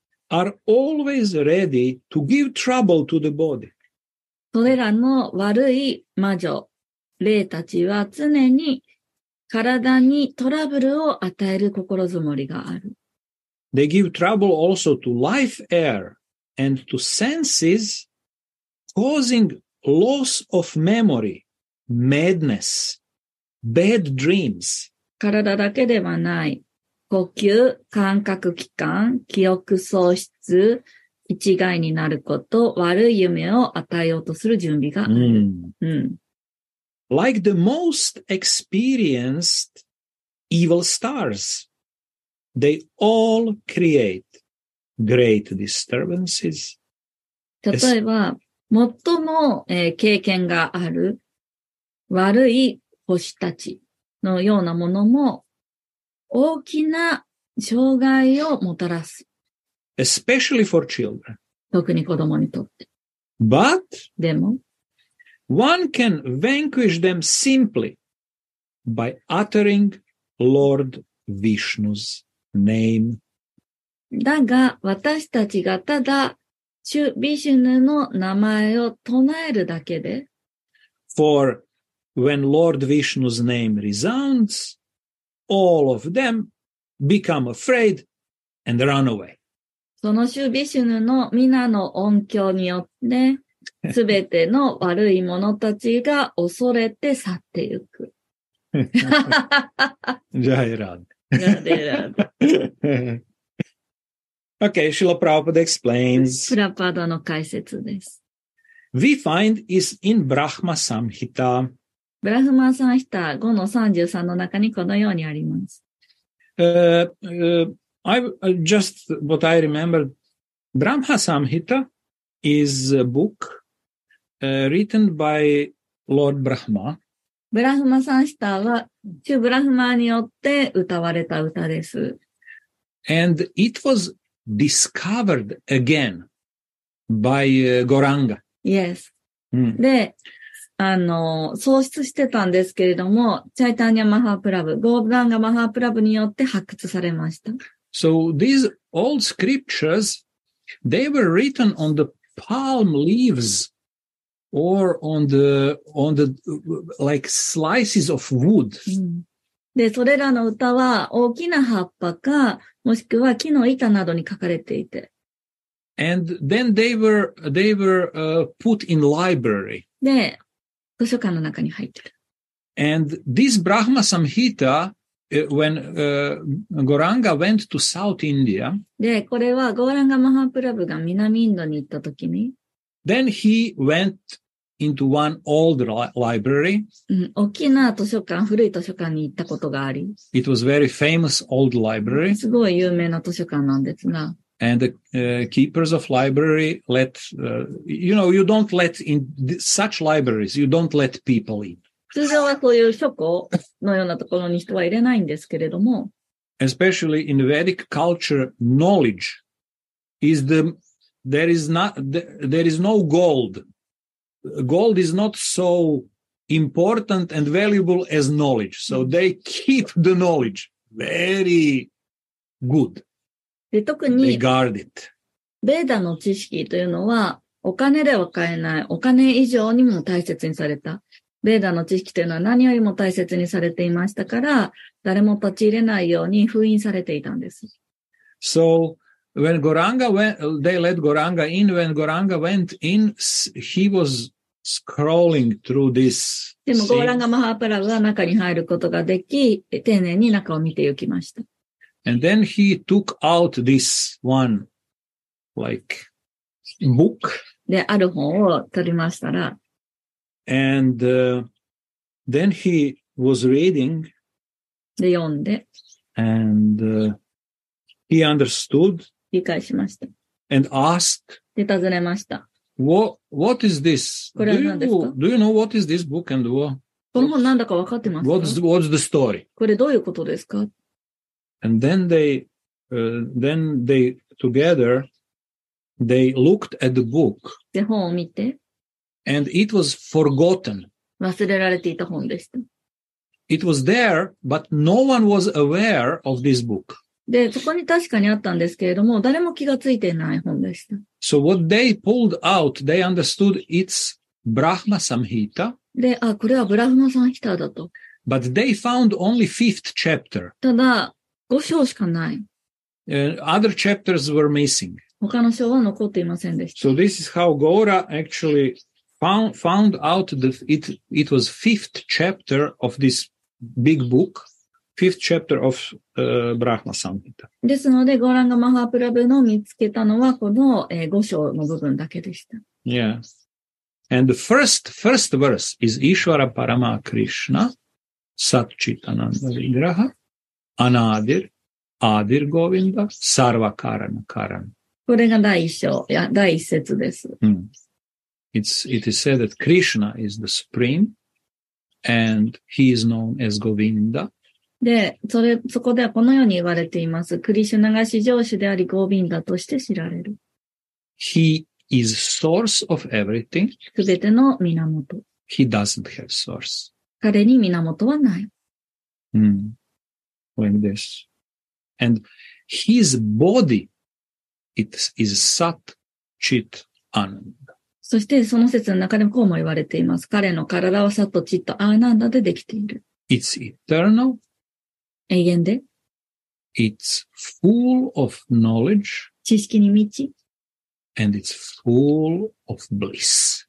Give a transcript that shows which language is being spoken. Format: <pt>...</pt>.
<en>Are always ready to give trouble to the body.</en> <ja>それらの悪い魔女、霊たちは常に体にトラブルを与える心づもりがある。</ja> <en>They give trouble also to life air and to senses, causing loss of memory, madness, bad dreams.</en> <ja>体だけではない。呼吸、感覚器官、記憶喪失、記一概になること、悪い夢を与えようとする準備がある。 Mm.</ja> <en>Like the most experienced evil stars, they all create great disturbances.</en> <ja>例えば、最も、経験がある悪い星たちのようなものも大きな障害をもたらす。</ja> <en>Especially for children.</en> <ja>特に子供にとって。</ja> <en>But,</en> <ja>でも、</ja> <en>one can vanquish them simply by uttering Lord Vishnu's name.</en> <ja>だが、私たちがただ、主ビシュヌの名前を唱えるだけで。</ja> <en>For when Lord Vishnu's name resounds, all of them become afraid and run away.</en> <ja>その主ビシュヌの皆の音響によって、すべての悪い者たちが恐れて去ってゆく。じゃあ選んで。なんで選んで。</ja> <en>Okay, Srila Prabhupada explains.</en> <ja>Prabhupada の解説です。</ja> <en>We find is in Brahma Samhita.</en> <ja>Brahma Samhita 5-33 の中にこのようにあります。</ja> <en>What I remember, Brahma Samhita is a book written by Lord Brahma.</en> <ja>Brahma Samhita は、主ブラフマによって歌われた歌です。</ja> <en>And it was discovered again by Goranga. Yes.、Mm.</en> <ja>で、創出してたんですけれども、チャイタニア・マハープラブ、ゴーダンガ・マハープラブによって発掘されました。</ja> <en>So these old scriptures, they were written on the palm leaves or on the, like slices of wood.、 Mm.</en> <ja>で、それらの歌は大きな葉っぱか、もしくは木の板などに書かれていて。</ja> <en>And then they were put in library.</en> <ja>で、図書館の中に入ってる。</ja> <en>And this Brahma Samhita, when Goranga went to South India.</en> <ja>で、これはゴーランガ・マハプラブが南インドに行った時に。</ja> <en>Then he went into one old library.</en> <ja>大きな図書館、古い図書館に行ったことがあり。</ja> <en>It was very famous old library.</en> <ja>すごい有名な図書館なんですが。</ja> <en>And the keepers of library let, you know, you don't let in such libraries, you don't let people in.</en> <ja>通常はそういう書庫のようなところに人は入れないんですけれども。</ja> <en>Especially in Vedic culture, knowledge is the, there is no gold. Gold is not so important and valuable as knowledge. So they keep the knowledge very good.</en> <ja>で、特に、</ja> <en>regard it.</en> <ja>ベーダの知識というのは、お金では買えない。お金以上にも大切にされた。ベーダの知識というのは何よりも大切にされていましたから、誰も立ち入れないように封印されていたんです。</ja> <en>So,When Goranga went, they let Goranga in. When Goranga went in, he was scrolling through this.</en> <ja>でも、ゴーランガ・マハープラブは中に入ることができ、丁寧に中を見て行きました。</ja> <en>And then he took out this one, like, book.</en> <ja>で、ある本を取りましたら。</ja> <en>And, then he was reading.</en> <ja>で、読んで。</ja> <en>And, he understood.</en> <ja>理解しました。</ja> <en>And asked,</en> <ja>で尋ねました。</ja> <en>What is this?</en> <ja>これは何ですか?</ja> <en>Do you know what is this book and what?</en> <ja>この本何だか分かってますか?</ja> <en>What's the story?</en> <ja>これどういうことですか?</ja> <en>And then they together they looked at the book.</en> <ja>で本を見て。</ja> <en>And it was forgotten.</en> <ja>忘れられていた本でした。</ja> <en>It was there, but no one was aware of this book.</en> <ja>で、そこに確かにあったんですけれども、誰も気がついてない本でした。</ja> <en>So what they pulled out, they understood it's Brahma Samhita.</en> <ja>で、あ、これはブラフマサンヒタだと。</ja> <en>But they found only fifth chapter.</en> <ja>ただ、五章しかない。</ja> <en>Other chapters were missing.</en> <ja>他の章は残っていませんでした。</ja> <en>So this is how Gaura actually found out that it was fifth chapter of this big book. fifth chapter of Brahma Samhita.</en> <ja>ですので、ゴーランガ・マハプラブの見つけたのはこの五章の部分だけでした。</ja> <en>Yes. And the first verse is</en> <sa>Ishvara Parama Krishna, Sat Chitananda Vigraha, Anadir, Adir Govinda, Sarva Karana Karana.</sa> <ja>これが第一章、いや、第一節です。 Mm.</ja> <en>It is said that Krishna is the supreme, and he is known as Govinda.</en> <ja>で、それ、そこではこのように言われています。クリシュナが至上主であり、ゴビンダとして知られる。</ja> <en>He is source of everything.</en> <ja>すべての源。</ja> <en>He doesn't have source.</en> <ja>彼に源はない。</ja> <en>Mm. When this. And his body, it is Sat Chit Ananda.</en> <ja>そしてその説の中でもこうも言われています。彼の体はサトチットアーナンダでできている。</ja> <en>It's eternal.</en> <ja>永遠で。</ja> <en>It's full of knowledge.</en> <ja>知識に満ち。</ja> <en>And it's full of bliss.</en>